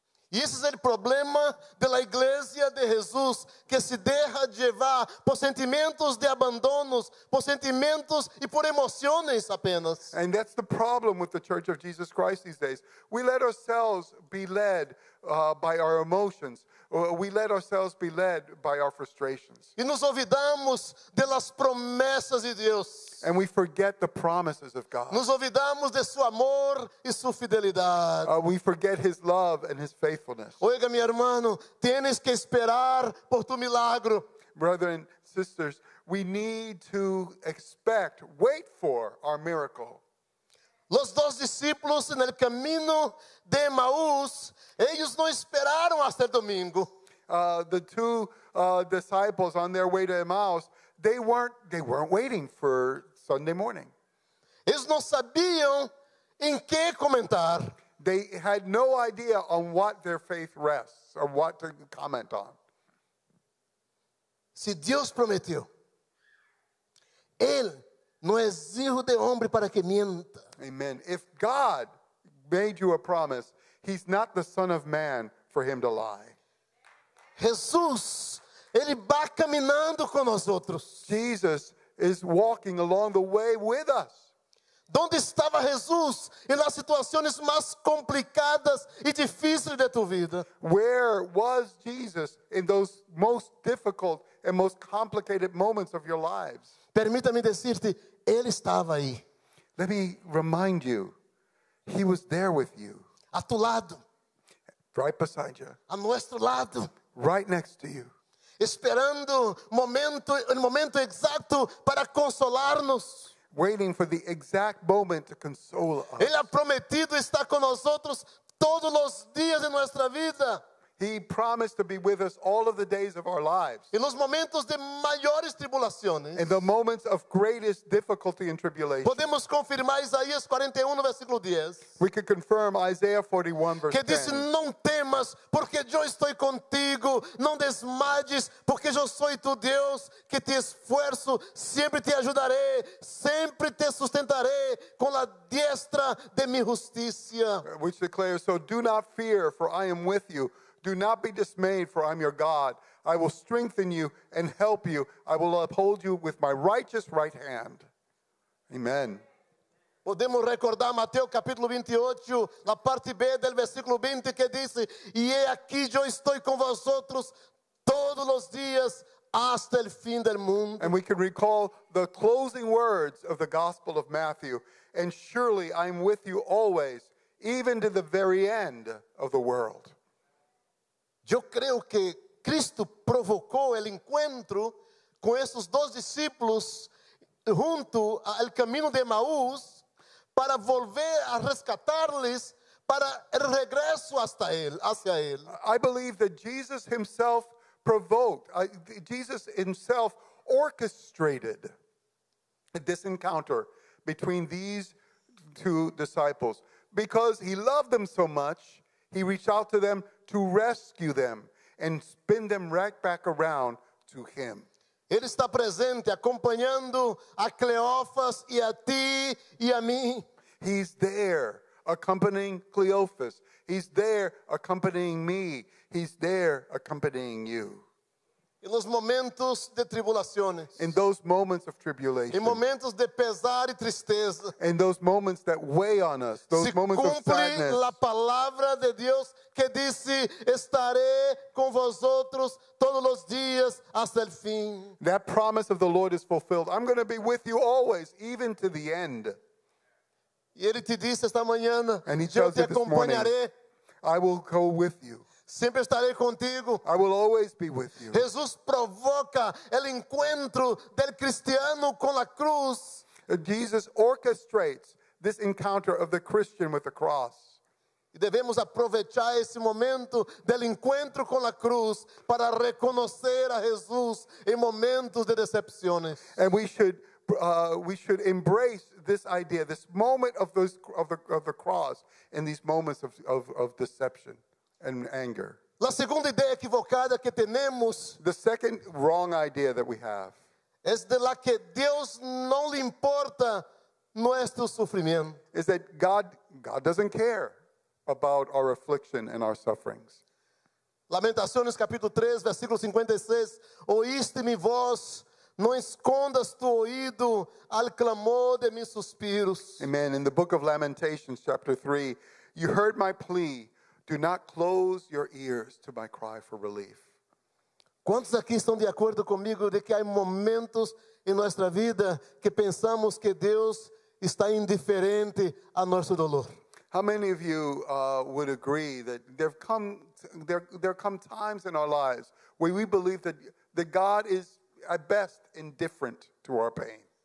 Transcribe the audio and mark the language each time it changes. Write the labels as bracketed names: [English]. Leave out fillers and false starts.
[Portuguese] E esse é o problema da igreja de Jesus, que se deixa levar por sentimentos de abandono, por sentimentos e por emoções apenas. [English] And that's the problem with the Church of Jesus Christ these days. We let ourselves be led by our emotions. We let ourselves be led by our frustrations. [Portuguese] E nos olvidamos das promessas de Deus. [English] And we forget the promises of God. [Portuguese] Nos olvidamos de seu amor e sua fidelidade. [English] We forget his love and his faithfulness. [Spanish] Oiga, [Portuguese] meu irmão, [Spanish] tienes que esperar por tu milagro. [English] Brethren, sisters, we need to expect, wait for our miracle. [Spanish] Los dos discípulos en el camino de Emaús, ellos no esperaron hasta el domingo. [English] The two disciples on their way to Emaús, they weren't waiting for Sunday morning. [Spanish] Ellos no sabían en qué comentar. [English] They had no idea on what their faith rests or what to comment on. [Spanish] Si Dios prometió, él no es hijo de hombre para que mienta. Amen. [English] If God made you a promise, he's not the son of man for him to lie. [Portuguese] Jesus, ele va caminando com nós outros. [English] Jesus is walking along the way with us. [Portuguese] Donde estava Jesus em las situações mais complicadas e difíceis de tua vida? [English] Where was Jesus in those most difficult and most complicated moments of your lives? [Portuguese] Permita-me dizer-te, ele estava aí. [English] Let me remind you, he was there with you. [Spanish] A tu lado. [English] Right beside you. [Spanish] A nuestro lado. [English] Right next to you. [Spanish] Esperando el momento exacto para consolarnos. [English] Waiting for the exact moment to console us. [Spanish] Ele ha prometido estar con nosotros todos los días de nuestra vida. [English] He promised to be with us all of the days of our lives. [Spanish] En los momentos de mayores tribulaciones. [English] In the moments of greatest difficulty and tribulation. [Spanish] Podemos confirmar Isaías 41, versículo 10. [English] We can confirm Isaiah 41, verse 10. [Spanish] Que dice, no temas, porque yo estoy contigo. No desmayes, porque yo soy tu Dios, que te esfuerzo, siempre te ayudaré, siempre te sustentaré con la diestra de mi justicia. [English] Which declares, so do not fear, for I am with you. Do not be dismayed, for I'm your God. I will strengthen you and help you. I will uphold you with my righteous right hand. Amen. [Portuguese] Podemos recordar Mateus capítulo 28, na parte B do versículo 20, que diz, e é aqui eu estou com vocês todos os dias, até o fim do mundo. [English] And we can recall the closing words of the Gospel of Matthew, and surely I'm with you always, even to the very end of the world. [Portuguese] Eu creio que Cristo provocou o encontro com esses dois discípulos junto ao caminho de Emaús para volver a rescatar-lhes para o regresso hacia ele. [English] I believe that Jesus himself provoked, Jesus himself orchestrated this encounter between these two disciples because he loved them so much, he reached out to them to rescue them and spin them right back around to him. [Portuguese] Ele está presente, acompanhando a Cleófas e a ti e a mim. [English] He's there, accompanying Cleophas. He's there, accompanying me. He's there, accompanying you. [Portuguese] E nos momentos de tribulações. [English] In those moments of tribulation. [Portuguese] Em momentos de pesar e tristeza. [English] In those moments that weigh on us. Those moments of sadness. [Portuguese] Se cumpre a palavra de Deus que disse, estarei com vosotros todos os dias até o fim. [English] That promise of the Lord is fulfilled. I'm going to be with you always, even to the end. [Portuguese] E ele te disse esta manhã, eu te acompanharei. [English] I will go with you. [Portuguese] Sempre estarei contigo. [English] I will always be with you. [Portuguese] Jesus provoca o encontro do cristiano com a cruz. [English] Jesus orchestrates this encounter of the Christian with the cross. [Portuguese] Devemos aproveitar esse momento do encontro com a cruz para reconhecer a Jesus em momentos de decepções. [English] And we should embrace this idea, this moment of those of the cross in these moments of deception. And anger. [Portuguese] La segunda ideia equivocada que temos. [English] The second wrong idea that we have. [Portuguese] Es de la que Deus não lhe importa nosso sofrimento. [English] Is that God doesn't care about our affliction and our sufferings. [Portuguese] Lamentações capítulo 3, versículo 56. Ouíste-me vós, não escondas tu ouído ao clamor de meus suspiros. Amen. [English] In the book of Lamentations chapter 3, you heard my plea. Do not close your ears to my cry for relief. [Portuguese] Quantos aqui estão de acordo comigo de que há momentos em nossa vida que pensamos que Deus está indiferente a nosso dolor? [English] How many of you would agree that there come times in our lives where we believe that God is at best indifferent to our pain?